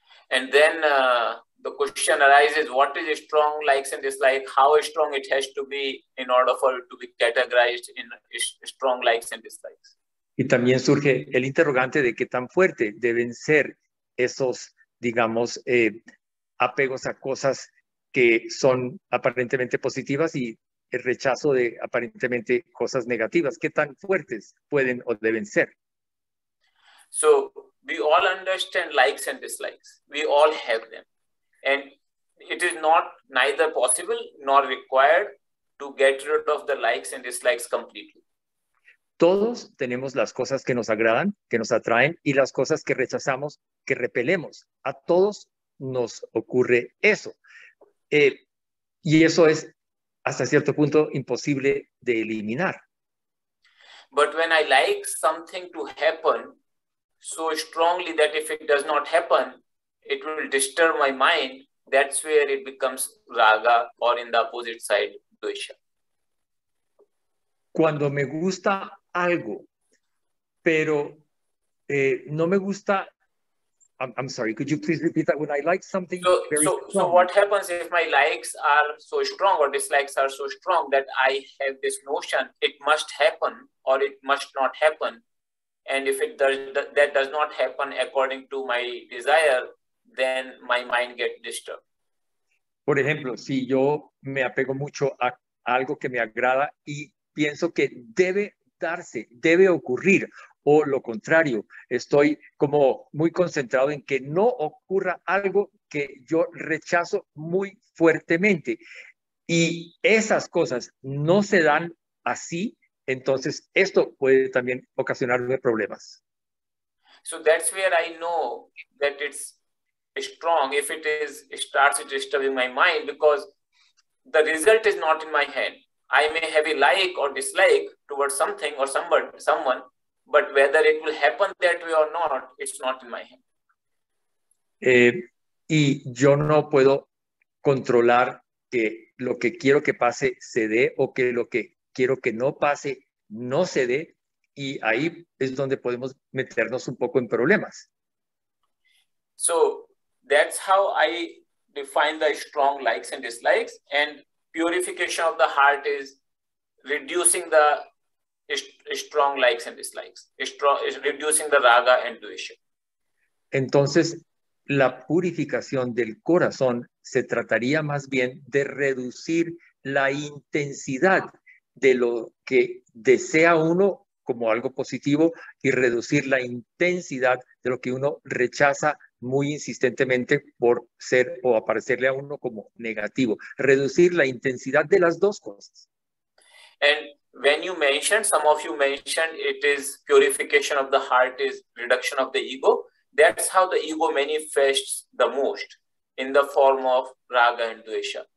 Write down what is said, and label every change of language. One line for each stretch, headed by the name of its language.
English: And then the question arises, what is strong likes and dislikes? How strong it has to be in order for it to be categorized in strong likes and dislikes?
Spanish: Y también surge el interrogante de qué tan fuerte deben ser esos, digamos, apegos a cosas que son aparentemente positivas y el rechazo de aparentemente cosas negativas. ¿Qué tan fuertes pueden o deben ser?
English: So, we all understand likes and dislikes. We all have them. And it is not neither possible nor required to get rid of the likes and dislikes completely.
Spanish: Todos tenemos las cosas que nos agradan, que nos atraen, y las cosas que rechazamos, que repelemos. A todos nos ocurre eso. Y eso es, hasta cierto punto, imposible de eliminar.
English: But when I like something to happen so strongly that if it does not happen, it will disturb my mind, that's where it becomes raga, or in the opposite side, dosha.
Spanish: Cuando me gusta algo, pero no me gusta.
English: I'm sorry, could you please repeat that? When I like something so what happens if my likes are so strong or dislikes are so strong that I have this notion it must happen or it must not happen? And if it does, that does not happen according to my desire, then my mind gets disturbed.
Spanish: Por ejemplo, si yo me apego mucho a algo que me agrada y pienso que debe darse, debe ocurrir, o lo contrario, estoy como muy concentrado en que no ocurra algo que yo rechazo muy fuertemente, y esas cosas no se dan así, entonces esto puede también ocasionarme problemas.
English: So that's where I know that it's strong if it is starts disturbing my mind, because the result is not in my hand. I may have a like or dislike towards something or someone, but whether it will happen that way or not, it's not in my hand.
Spanish: Y yo no puedo controlar que lo que quiero que pase se dé o que lo que quiero que no pase no se dé, y ahí es donde podemos meternos un poco en problemas.
English: So that's how I define the strong likes and dislikes, and purification of the heart is reducing the strong likes and dislikes. Reducing the raga and dvesha.
Spanish: Entonces, la purificación del corazón se trataría más bien de reducir la intensidad de lo que desea uno como algo positivo y reducir la intensidad de lo que uno rechaza muy insistentemente por ser o aparecerle a uno como negativo. Reducir la intensidad de las dos cosas.
English: And when you mentioned, some of you mentioned, it is purification of the heart is reduction of the ego. That's how the ego manifests the most, in the form of raga and dvesha.